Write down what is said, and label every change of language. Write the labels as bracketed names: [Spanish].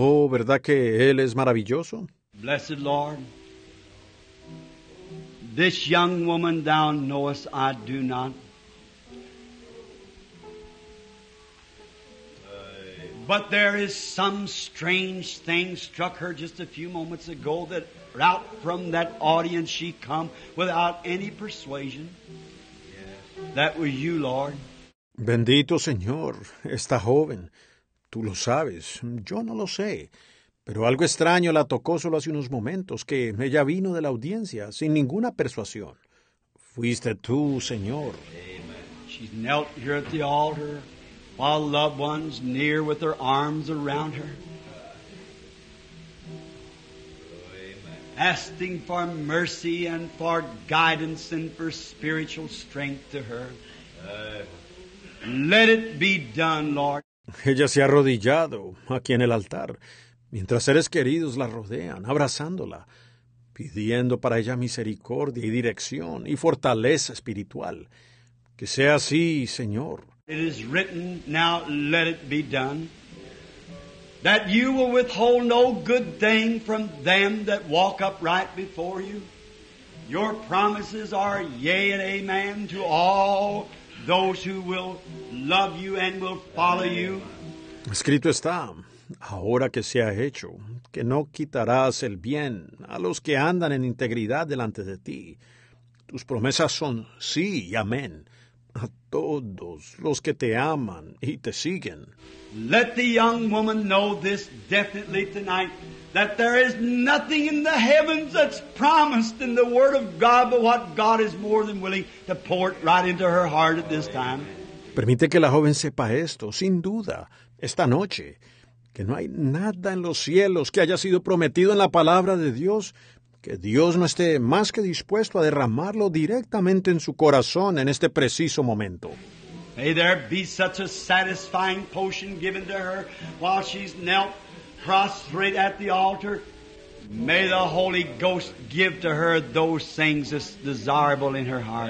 [Spanish] ¿Verdad que Él es maravilloso? [English] Blessed Lord, this young woman thou knowest I do not. But there is some strange thing struck her just a few moments ago that out from that audience she come without any persuasion. That was you, Lord. [Spanish] Bendito Señor, esta joven, tú lo sabes, yo no lo sé. Pero algo extraño la tocó solo hace unos momentos, que ella vino de la audiencia sin ninguna persuasión. Fuiste tú, Señor. [English] Amen. She knelt here at the altar while loved ones near with their arms around her. Asking for mercy and for guidance and for spiritual strength to her. Let it be done, Lord. [Spanish] Ella se ha arrodillado aquí en el altar. Mientras seres queridos la rodean, abrazándola, pidiendo para ella misericordia y dirección y fortaleza espiritual. Que sea así, Señor. [English] It is written, now let it be done, that you will withhold no good thing from them that walk upright before you. Your promises are yea and amen to all those who will love you and will follow you. [Spanish] Escrito está. Ahora que sea hecho, que no quitarás el bien a los que andan en integridad delante de ti. Tus promesas son sí y amén a todos los que te aman y te siguen. [English] Let the young woman know this definitely tonight, that there is nothing in the heavens that's promised in the Word of God, but what God is more than willing to pour it right into her heart at this time. [Spanish] Permite que la joven sepa esto, sin duda, esta noche. Que no hay nada en los cielos que haya sido prometido en la palabra de Dios, que Dios no esté más que dispuesto a derramarlo directamente en su corazón en este preciso momento. [English] May there be such a satisfying potion given to her while she's knelt prostrate at the altar. May the Holy Ghost give to her those things that's desirable in her heart.